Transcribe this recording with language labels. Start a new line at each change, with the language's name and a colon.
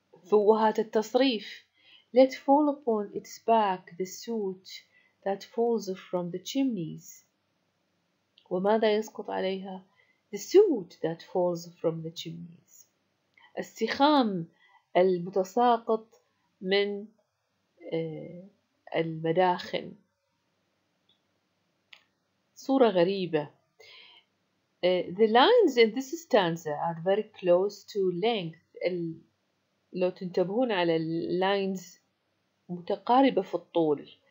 Arabic: فوهات التصريف
English: Let fall upon its back the soot that falls from the chimneys
Arabic: وماذا يسقط عليها
English: The soot that falls from the chimneys
Arabic: السخام المتساقط من المداخن صورة غريبة.
English: The lines in this stanza are very close to length.
Arabic: لو تنتبهون على lines متقاربة في الطول.